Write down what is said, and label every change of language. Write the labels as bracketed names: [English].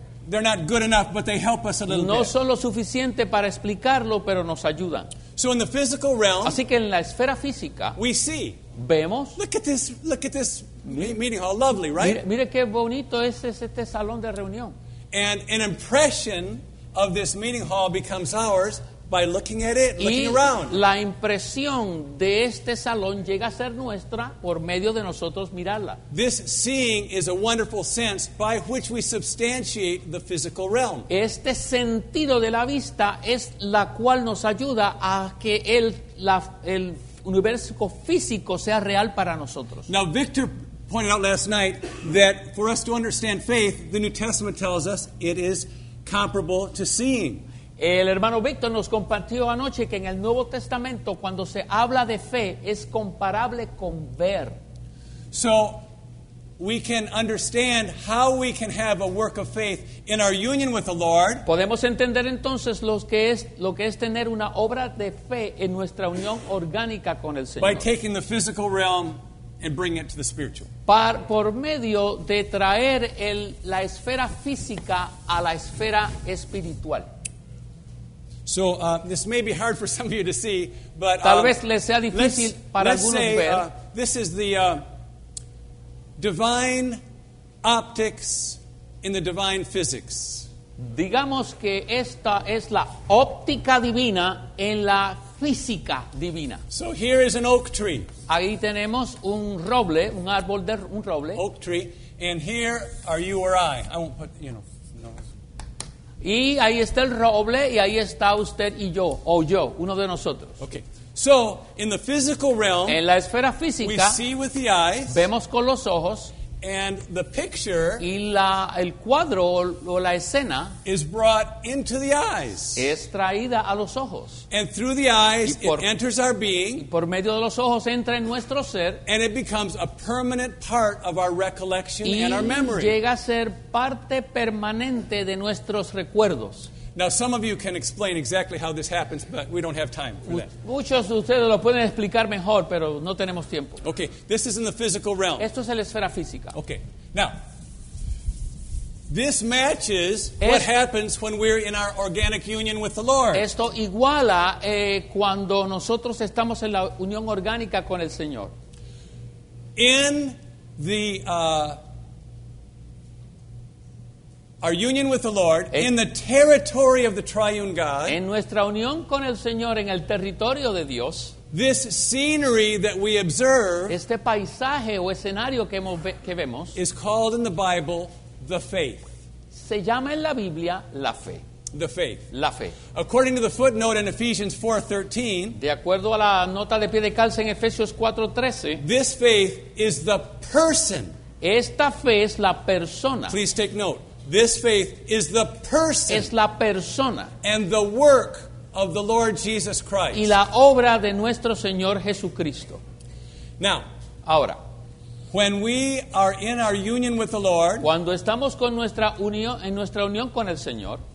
[English] They're not good enough, but they help us a little [Spanish] no [English] bit. [Spanish] No son lo suficiente para explicarlo, pero nos ayudan. [English] So in the physical realm, [Spanish] así que en la esfera física, [English] we see. [Spanish] Vemos. [English] Look at this meeting hall. Lovely, right? [Spanish] Mire qué bonito es este salón de reunión. [English] And an impression of this meeting hall becomes ours by looking at it, looking around. [Spanish] Y la impresión de este salón llega a ser nuestra por medio de nosotros mirarla. [English] This seeing is a wonderful sense by which we substantiate the physical realm. [Spanish] Este sentido de la vista es la cual nos ayuda a que el universo físico sea real para nosotros. [English] Now, Victor pointed out last night that for us to understand faith, the New Testament tells us it is comparable to seeing. [Spanish] El hermano Víctor nos compartió anoche que en el Nuevo Testamento cuando se habla de fe es comparable con ver. [English] So we can understand how we can have a work of faith in our union with the Lord. [Spanish] Podemos entender entonces lo que es tener una obra de fe en nuestra unión orgánica con el Señor. [English] By taking the physical realm and bring it to the spiritual. [Spanish] Por medio de traer la esfera física a la esfera espiritual. [English] So this may be hard for some of you to see, but [Spanish] tal vez les sea difícil para algunos [English] say, [Spanish] ver. [English] This is the divine optics in the divine physics. [Spanish] Digamos que esta es la óptica divina en la física divina. [English] So here is an oak tree. [Spanish] Ahí tenemos un roble, un árbol de un roble. [English] Oak tree, and here are you or I. I won't put, you know. [Spanish] Y ahí está el roble y ahí está usted y yo, o yo, uno de nosotros. [English] Okay. So, in the physical realm, [Spanish] en la esfera física, [English] we see with the eyes, [Spanish] vemos con los ojos, [English] And the picture [Spanish] y la, el cuadro, o la escena [English] is brought into the eyes. [Spanish] Es traída a los ojos. [English] And through the eyes, it enters our being. [Spanish] Y por medio de los ojos entra en nuestro ser. [English] And it becomes a permanent part of our recollection [Spanish] y [English] and our memory. [Spanish] Llega a ser parte permanente de nuestros recuerdos. [English] Now, some of you can explain exactly how this happens, but we don't have time for that. [Spanish] Muchos de ustedes lo pueden explicar mejor, pero no tenemos tiempo. [English] Okay, this is in the physical realm. [Spanish] Esto es en la esfera física. [English] Okay, now, this matches what happens when we're in our organic union with the Lord. [Spanish] Esto iguala cuando nosotros estamos en la unión orgánica con el Señor. [English] In the... Our union with the Lord in the territory of the triune God. [Spanish] En nuestra unión con el Señor en el territorio de Dios. [English] This scenery that we observe. [Spanish] Este paisaje o escenario que vemos. [English] Is called in the Bible the faith. [Spanish] Se llama en la Biblia la fe. [English] The faith. [Spanish] La fe. [English] According to the footnote in Ephesians 4:13. [Spanish] De acuerdo a la nota de pie de calza en Efesios 4:13. [English] This faith is the person. [Spanish] Esta fe es la persona. [English] Please take note. This faith is the person. [Spanish] Es la persona. [English] And the work of the Lord Jesus Christ. [Spanish] Y la obra de nuestro Señor Jesucristo. [English] Now, [Spanish] ahora, [English] when we are in our union with the Lord, [Spanish] cuando estamos con nuestra unión en nuestra unión con el Señor,